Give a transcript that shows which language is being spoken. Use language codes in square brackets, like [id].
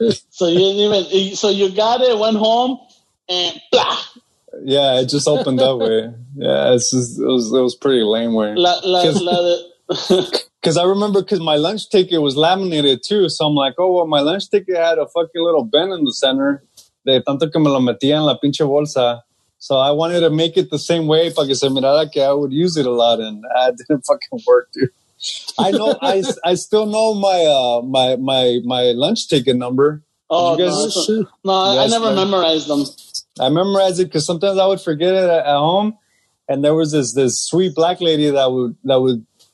[en] So you got it, went home, and blah. Yeah, it just opened up, way. Yeah, it's just, it was pretty lame, way. Because I remember, because my lunch ticket was laminated too. So I'm like, oh, well, my lunch ticket had a fucking little bend in the center. [es] De tanto que me lo metía en la pinche bolsa. [en] So I wanted to make it the same way, [es] para que se mirara que [en] I would use it a lot, and it didn't fucking work, dude. I know, I still know my lunch ticket number. Oh, I never memorized them. I memorized it because sometimes I would forget it at home, and there was this sweet black lady that would